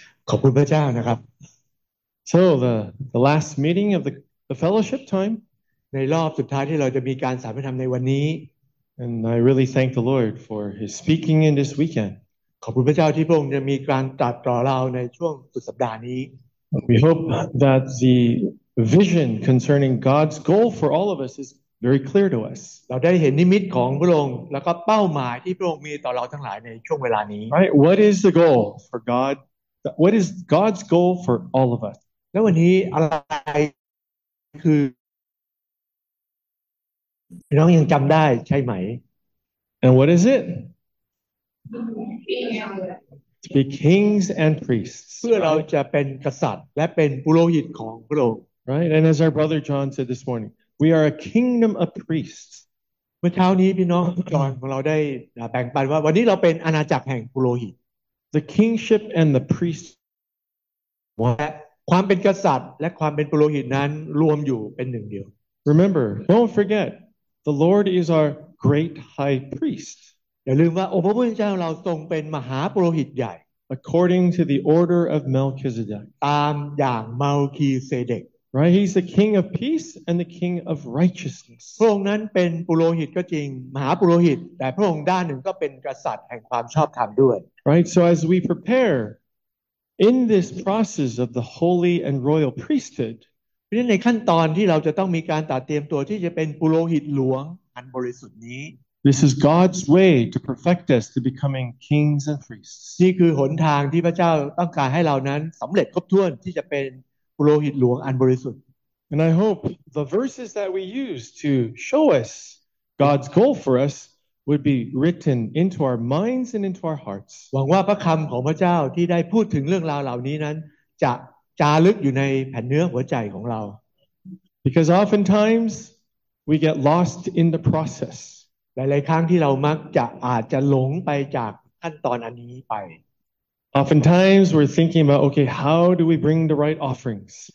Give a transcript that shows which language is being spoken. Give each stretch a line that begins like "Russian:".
Thai: ขอบคุณพระเจ้านะครับ
English: So the last meeting of the fellowship time
Thai: ในรอบสุดท้ายที่เราจะมีการสามัคคีธรรมในวันนี้
English: And I really thank the Lord for his speaking in this weekend.
Thai: ขอบคุณพระเจ้าที่พระองค์จะมีการตรัสต่อเราในช่วงสุดสัปดาห์นี้
English: We hope that the vision concerning God's goal for all of us is very clear to us.
Thai: เราได้เห็นนิมิตของพระองค์แล้วก็เป้าหมายที่พระองค์มีต่อเราทั้งหลายในช่วงเวลานี้
English: Right, what is the goal for God? What is God's goal for all of us?
Thai: แล้ววันนี้อะไรคือน้องยังจำได้ใช่ไหม
English: And what is it? To be kings and priests.
Thai: เพื่อเราจะเป็นกษัตริย์และเป็นปุโรหิตของพระองค์
English: Right, and as our brother John said this morning, we are a kingdom of priests.
Thai: เมื่อเช้านี้พี่น้องจอห์นของเราได้แบ่งปันว่าวันนี้เราเป็นอาณาจักรแห่งปุโรหิต
English: The kingship and the priest.
Thai: ความเป็นกษัตริย์และความเป็นปุโรหิตนั้นรวมอยู่เป็นหนึ่งเดียว
English: Remember, don't forget, the Lord is our great high priest.
Thai: อย่าลืมว่าองค์พระผู้เป็นเจ้าของเราทรงเป็นมหาปุโรหิตใหญ่
English: According to the order of Melchizedek.
Thai: ตามอย่างเมลคีเซเดก
English: Right, he's the king of peace and the king of righteousness.
Thai: พระองค์นั้นเป็นปุโรหิตก็จริงมหาปุโรหิตแต่พระองค์ด้านหนึ่งก็เป็นกษัตริย์แห่งความชอบธรรมด้วย
English: Right, so as we prepare in this process of the holy and royal priesthood,
Thai: ในขั้นตอนที่เราจะต้องมีการตัดเตรียมตัวที่จะเป็นปุโรหิตหลวงอันบริสุทธิ์นี้
English: This is God's way to perfect us to becoming kings and priests.
Thai: นี่คือหนทางที่พระเจ้าต้องการให้เรานั้นสำเร็จครบถ้วนที่จะเป็นโลหิตหลวงอันบริสุทธิ์
English: And I hope the verses that we use to show us God's goal for us would be written into our minds and into our hearts.
Thai: หวังว่าพระคำของพระเจ้าที่ได้พูดถึงเรื่องราวเหล่านี้นั้นจะจารึกอยู่ในแผ่นเนื้อหัวใจของเรา
English: Because oftentimes we get lost in the process.
Thai: หลายๆครั้งที่เรามักจะอาจจะหลงไปจากขั้นตอนอันนี้ไป
English: Oftentimes we're thinking about, okay, how do we bring the right offerings?